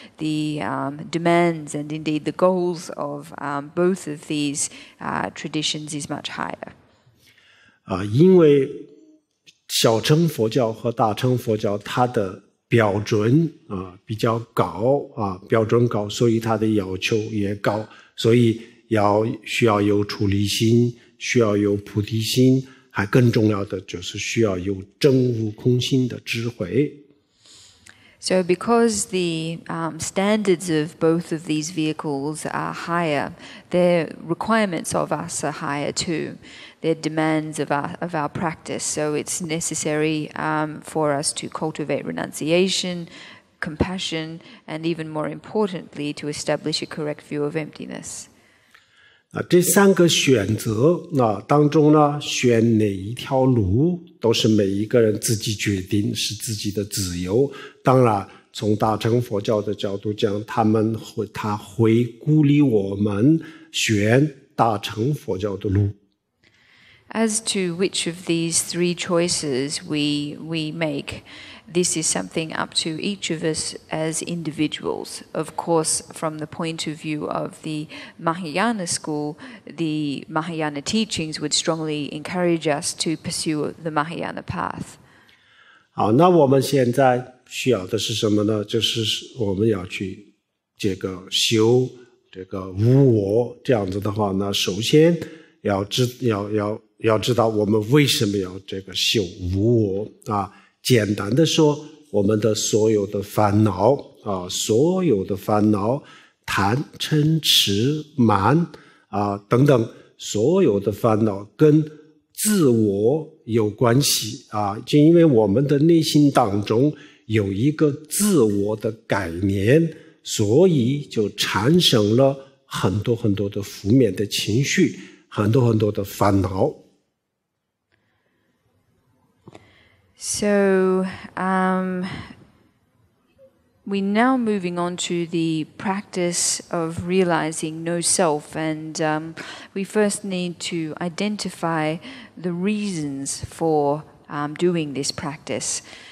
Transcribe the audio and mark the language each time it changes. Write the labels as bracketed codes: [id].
[en] The demands and indeed the goals of both of these traditions is much higher. [zh] 因为小乘佛教和大乘佛教它的标准比较高标准高，所以它的要求也高，所以需要有出离心，需要有菩提心，还更重要的就是需要有真无空心的智慧。 [en] So because the standards of both of these vehicles are higher, their requirements of us are higher too, their demands of our practice. So it's necessary for us to cultivate renunciation, compassion, and even more importantly, to establish a correct view of emptiness. [zh] 这三个选择当中呢，选哪一条路都是每一个人自己决定，是自己的自由。当然从大乘佛教的角度讲，他会鼓励我们选大乘佛教的路。 [en] As to which of these three choices we make, this is something up to each of us as individuals. Of course, from the point of view of the Mahayana school, the Mahayana teachings would strongly encourage us to pursue the Mahayana path. [zh] 好，那我们现在需要的是什么呢？就是我们要去这个修这个无我，这样子的话呢，首先要知道我们为什么要这个修无我简单的说，我们的所有的烦恼所有的烦恼，贪嗔痴慢等等，所有的烦恼跟自我有关系就因为我们的内心当中有一个自我的概念，所以就产生了很多很多的负面的情绪，很多很多的烦恼。 [en] So, we're now moving on to the practice of realizing no self, and we first need to identify the reasons for doing this practice.